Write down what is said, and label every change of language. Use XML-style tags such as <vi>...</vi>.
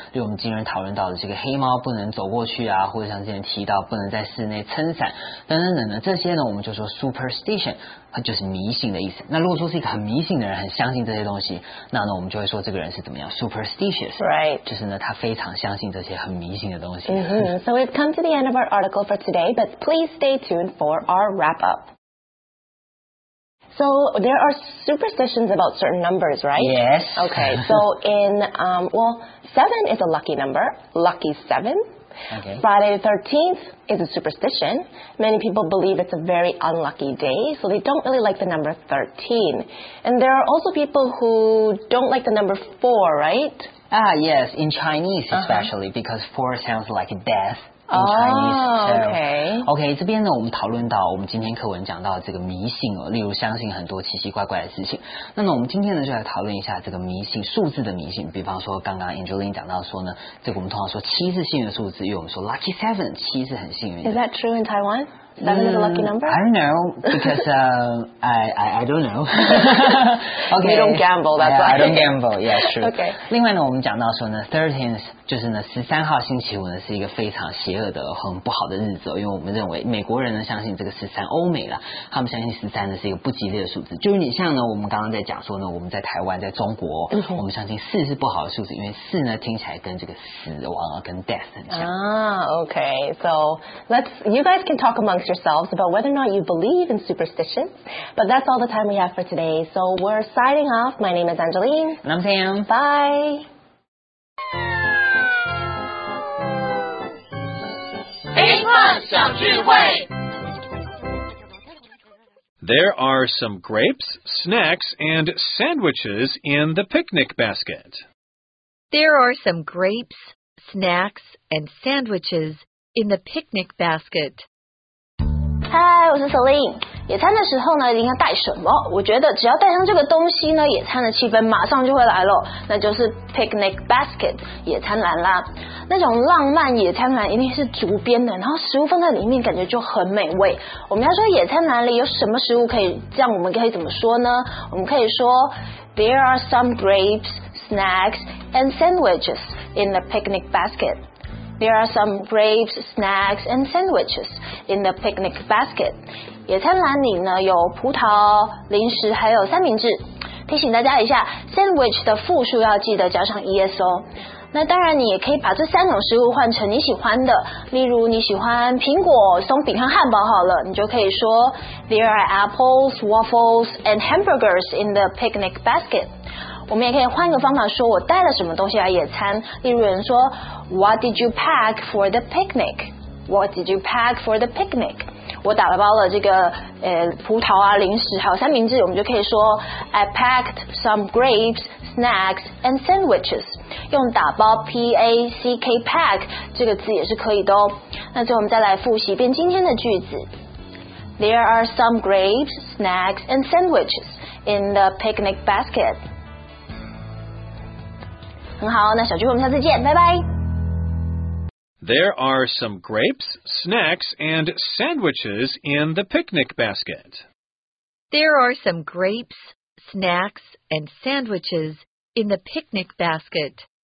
<zh>例如我们今天讨论到的这个黑猫不能走过去啊，或者像之前提到不能在室内撑伞等等等等，这些呢我们就说 superstition， 它就是迷信的意思。那如果说是一个很迷信的人，很相信这些东西，那呢我们就会说这个人是怎么样 superstitious，</zh> <en>right？</en> <zh>就是呢他非常相信这些很迷信的东西。 Mm-hmm.</zh> <en>So we've come to the end of our article for today， but please stay tuned for our wrap up。 So there are superstitions about certain numbers, right? Yes. Okay, so in, 7 is a lucky number, lucky 7. Okay. Friday the 13th is a superstition. Many people believe it's a very unlucky day, so they don't really like the number 13. And there are also people who don't like the number 4, right? Ah, yes, in Chinese especially, because 4 sounds like death. Chinese,</en> <zh>OK, 这边呢，我们讨论到我们今天课文讲到这个迷信哦，例如相信很多奇奇怪怪的事情。那么我们今天呢，就来讨论一下这个迷信，数字的迷信。比方说，刚刚 Angeline 讲到说呢，这个我们通常说七是幸运数字，因为我们说 Lucky Seven， 七是很幸运的。</zh> <en>Is that true in Taiwan? Seven is a lucky number? I don't know, because I don't know. Okay, you don't gamble, that's right. I don't gamble, yeah, true. Okay.</en> <zh>另外呢，我们讲到说呢 ,13th, 就是呢 ,13 号星期五呢是一个非常邪恶的很不好的日子，因为我们认为美国人呢相信这个 13, 欧美啦，他们相信13呢是一个不吉利的数字。就有点像呢我们刚刚在讲说呢，我们在台湾在中国，我们相信4是不好的数字，因为4呢听起来跟这个死亡啊跟 death 很像。</zh> <en>Ah, okay, so you guys can talk amongst yourselves about whether or not you believe in superstitions. But that's all the time we have for today. So we're signing off. My name is Angeline. And I'm Sam. Bye. There are some grapes, snacks, and sandwiches in the picnic basket. There are some grapes, snacks, and sandwiches in the picnic basket.</en> <zh>嗨，我是 Celine。野餐的时候呢，一定要带什么？我觉得只要带上这个东西呢，野餐的气氛马上就会来了，那就是 picnic basket 野餐篮啦。那种浪漫野餐篮一定是竹编的，然后食物放在里面感觉就很美味。我们要说野餐篮里有什么食物，可以这样，我们可以怎么说呢？</zh> <en>我们可以说 There are some grapes, snacks and sandwiches in the picnic basket. There are some grapes, snacks and sandwiches in the picnic basket.</en> <zh>野餐篮里呢有葡萄、零食还有三明治。提醒大家一下， sandwich 的复数要记得加上 es 哦。那当然你也可以把这三种食物换成你喜欢的，例如你喜欢苹果松饼和汉堡好了，你就可以说</zh> <en>There are apples, waffles and hamburgers in the picnic basket。</en> <zh>我们也可以换一个方法说我带了什么东西来野餐，例如有人说</zh> <en>What did you pack for the picnic? What did you pack for the picnic?</en> <zh>我打了包了这个葡萄啊、零食还有三明治，我们就可以说</zh> <en>I packed some grapes, snacks and sandwiches。</en> <zh>用打包 P-A-C-K pack 这个字也是可以的哦。那最后我们再来复习一遍今天的句子。</zh> <en>There are some grapes, snacks and sandwiches in the picnic basket.</en> <zh>很好，那小聚我们下次见，拜拜。</zh> <en>There are some grapes, snacks and sandwiches in the picnic basket. There are some grapes, snacks and sandwichesIn the picnic basket.</en>